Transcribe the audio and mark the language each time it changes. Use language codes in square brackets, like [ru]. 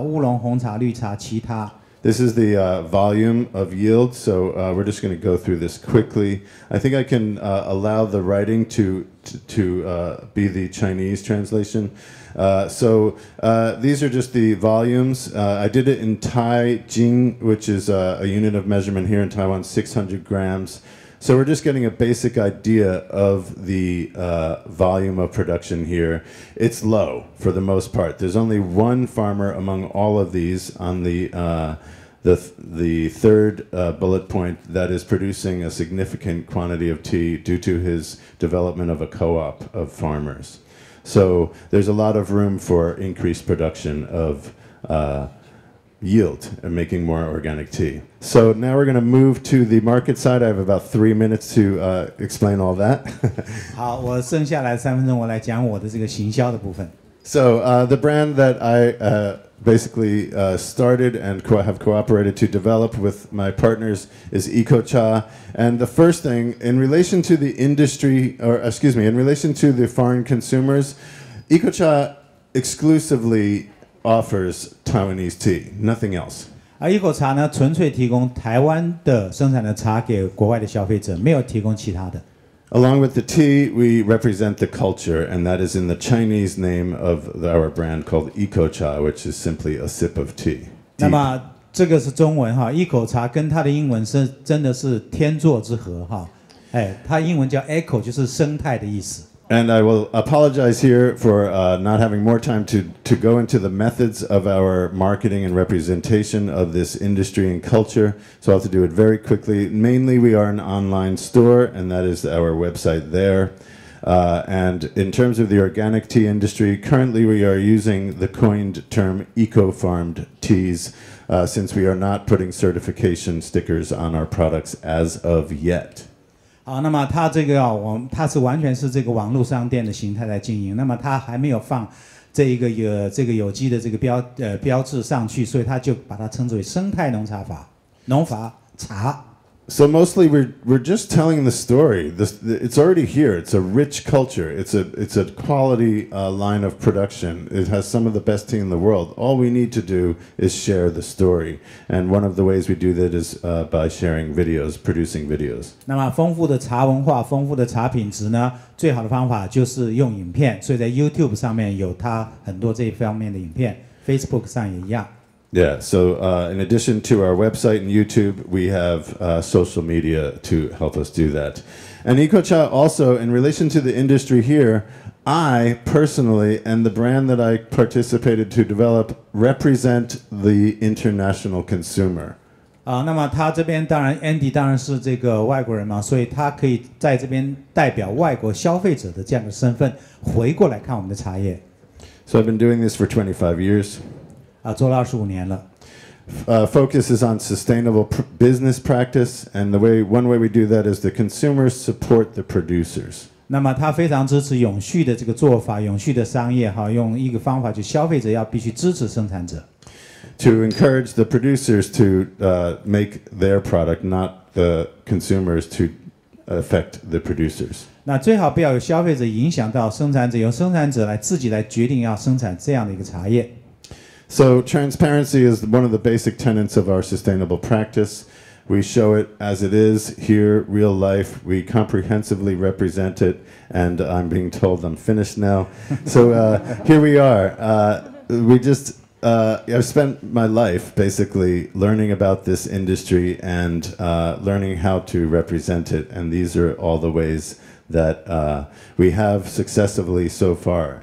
[zh] 乌龙、红茶、绿茶、其他。 [en] This is the volume of yield, so we're just going to go through this quickly. I think I can allow the writing to be the Chinese translation. So these are just the volumes. I did it in Taijing, which is a unit of measurement here in Taiwan, 600 grams. So we're just getting a basic idea of the volume of production here. It's low for the most part. There's only one farmer among all of these on the third bullet point that is producing a significant quantity of tea due to his development of a co-op of farmers. So there's a lot of room for increased production of yield and making more organic tea. So now we're going to move to the market side. I have about 3 minutes to explain all that. [zh] 好，我剩下来三分钟，我来讲我的这个行销的部分。 [en] So the brand that I basically started and have cooperated to develop with my partners is EcoCha. And the first thing in relation to the industry, or excuse me, in relation to the foreign consumers, EcoCha exclusively offers Taiwanese tea, nothing else. [zh] EcoCha 呢，纯粹提供台湾的生产的茶给国外的消费者，没有提供其他的。 [en] Along with the tea, we represent the culture, and that is in the Chinese name of our brand called Eco Cha, which is simply a sip of tea. [zh] 那么这个是中文哈，一口茶跟它的英文是真的是天作之合哈，哎，它英文叫 Eco， 就是生态的意思。 [en] And I will apologize here for not having more time to go into the methods of our marketing and representation of this industry and culture. So I have to do it very quickly. Mainly, we are an online store, and that is our website there. And in terms of the organic tea industry, currently we are using the coined term eco-farmed teas, since we are not putting certification stickers on our products as of yet. [zh] 好，那么它这个啊，它是完全是这个网络商店的形态来经营。那么它还没有放这一个有机的这个标志上去，所以它就把它称之为生态农茶法，农法茶。 [en] So mostly we're just telling the story. It's already here. It's a rich culture. It's a quality line of production. It has some of the best tea in the world. All we need to do is share the story. And one of the ways we do that is by sharing videos, producing videos. [zh] 那么丰富的茶文化，丰富的茶品质呢？最好的方法就是用影片。所以在 YouTube 上面有它很多这一方面的影片 ，Facebook 上也一样。 [en] Yeah, so in addition to our website and YouTube, we have social media to help us do that. And Eco Cha also, in relation to the industry here, I personally and the brand that I participated to develop represent the international consumer. [zh] 那么他这边当然 Andy 当然是这个外国人嘛，所以他可以在这边代表外国消费者的这样的身份回过来看我们的茶叶。 [en] So I've been doing this for 25 years. [zh] 做了25年了。 [en] Focus is on sustainable business practice, and one way we do that is the consumers support the producers. [zh] 那么他非常支持永续的这个做法，永续的商业哈，用一个方法就消费者要必须支持生产者。 [en] To encourage the producers to make their product, not the consumers to affect the producers. [zh] 那最好不要有消费者影响到生产者，由生产者来自己来决定要生产这样的一个茶叶。 [en] So transparency is one of the basic tenets of our sustainable practice. We show it as it is here, real life. We comprehensively represent it, and I'm being told I'm finished now. So here we are. I've spent my life basically learning about this industry and learning how to represent it, and these are all the ways that we have successively so far.